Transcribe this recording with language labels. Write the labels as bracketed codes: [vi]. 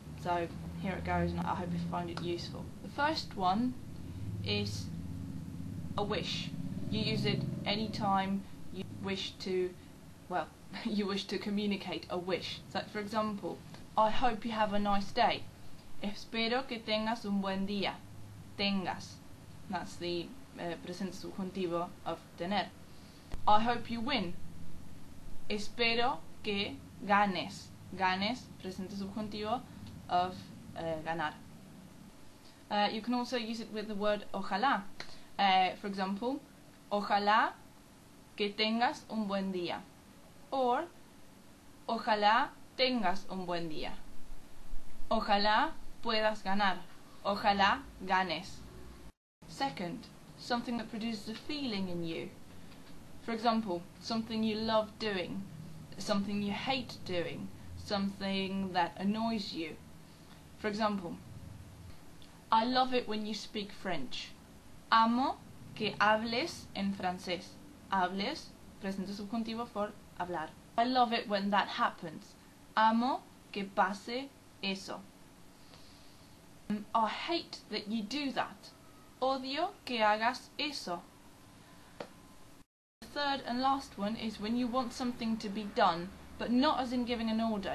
[en] So here it goes, and I hope you find it useful. The first one is a wish. You use it any time you wish to, well, you wish to communicate a wish. So for example, I hope you have a nice day. [es] Espero que tengas un buen día. [en] Tengas. That's the presente subjuntivo of tener. I hope you win. [es] Espero que ganes. Ganes, presente subjuntivo of ganar. [en] You can also use it with the word ojalá. For example, [es] ojalá que tengas un buen día. Or, ojalá tengas un buen día. Ojalá puedas ganar. Ojalá ganes. [en] Second, something that produces a feeling in you. For example, something you love doing, something you hate doing, something that annoys you. For example, I love it when you speak French. [es] Amo que hables en francés. Hables, presente subjuntivo for hablar. [en] I love it when that happens. [es] Amo que pase eso. [en] I hate that you do that. [es] Odio que hagas eso. [en] Third and last one is when you want something to be done, but not as in giving an order.